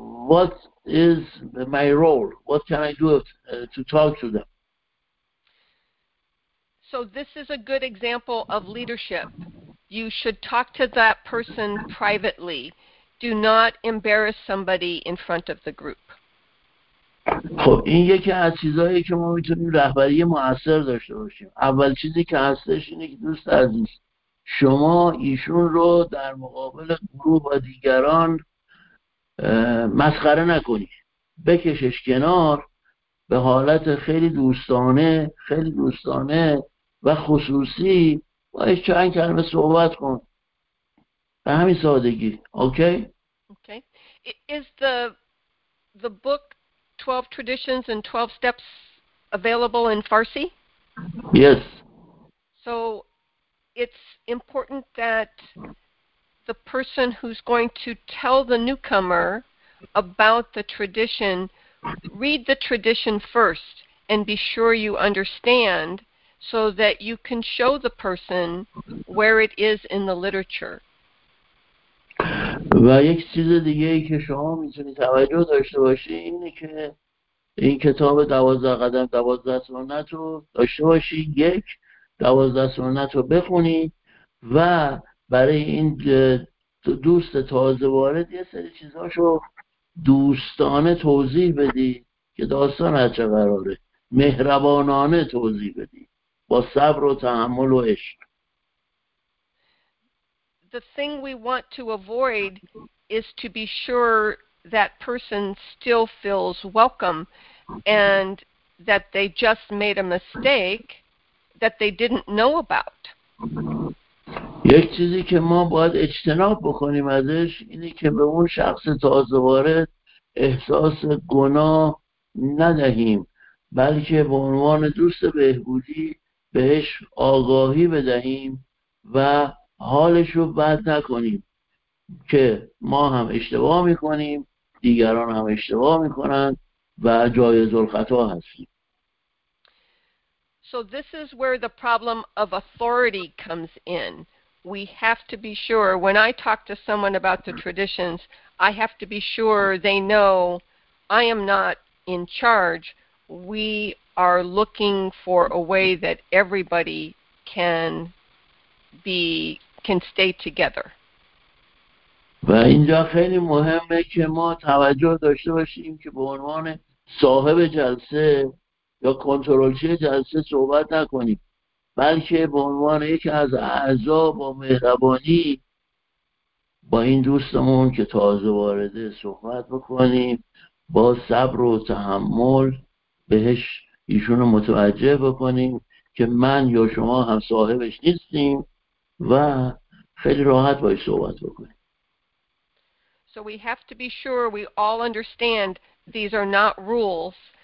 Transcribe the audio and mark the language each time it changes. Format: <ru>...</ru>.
<en>What is my role? What can I do to talk to them? So this is a good example of leadership. You should talk to that person privately. Do not embarrass somebody in front of the group.</en> <fa>خب این یکی از چیزهایی که ما میتونیم رهبری مؤثر داشته باشیم. اول چیزی که هستش اینه که دوست عزیز، شما ایشون رو در مقابل گروه و دیگران مسخره نکنید. بکشش کنار به حالت خیلی دوستانه، خیلی دوستانه و خصوصی باش چند کلمه صحبت کن. به همین سادگی. اوکی؟</fa> <en>Okay. Is the book 12 Traditions and 12 Steps available in Farsi? Yes. So it's important that the person who's going to tell the newcomer about the tradition read the tradition first and be sure you understand so that you can show the person where it is in the literature.</en> <fa>و یک چیز دیگه ای که شما میتونید توجه داشته باشید اینه که این کتاب 12 قدم 12 سنت رو داشته باشید. یک، 12 سنت رو بخونید و برای این دوست تازه وارد یه سری چیزاشو دوستانه توضیح بدید که داستان از چه قراره، مهربانانه توضیح بدید با صبر و تحمل و عشق.</fa> <en>The thing we want to avoid is to be sure that person still feels welcome and that they just made a mistake that they didn't know about.</en> <fa>یک چیزی که ما باید اجتناب بکنیم ازش اینه که به اون شخص تازه وارد احساس گناه ندهیم، بلکه به عنوان دوست بهبودی بهش آگاهی بدهیم و حالش رو بد نکنیم که ما هم اشتباه میکنیم، دیگران هم اشتباه میکنن و جایز الخطا هستیم.</fa> <en>So this is where the problem of authority comes in. We have to be sure when I talk to someone about the traditions, I have to be sure they know I am not in charge. We are looking for a way that everybody can stay together.</en> <fa>و اینجا خیلی مهمه که ما توجه داشته باشیم که به عنوان صاحب جلسه یا کنترلچی جلسه صحبت نکنیم، بلکه به عنوان یکی از اعضا با مهربانی با این دوستمون که تازه وارده صحبت بکنیم، با صبر و تحمل بهش ایشون رو متوجه بکنیم که من یا شما هم صاحبش نیستیم و خیلی راحت باهاش صحبت بکنیم.</fa> <en>So we have to be sure we all understand these are not rules.</en>